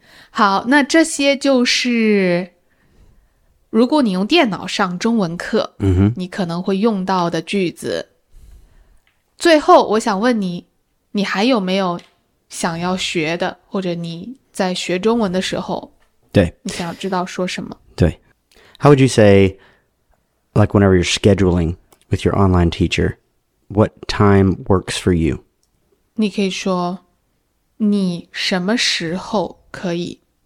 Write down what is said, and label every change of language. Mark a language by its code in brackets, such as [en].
[zh] 好，那这些就是如果你用电脑上中文课，嗯哼，你可能会用到的句子。最后，我想问你，你还有没有想要学的，或者你在学中文的时候，对，你想要知道说什么？对。 [en] How would you say, like whenever you're scheduling with your online teacher,What time works for you? [zh] 你可以说你什么时候可以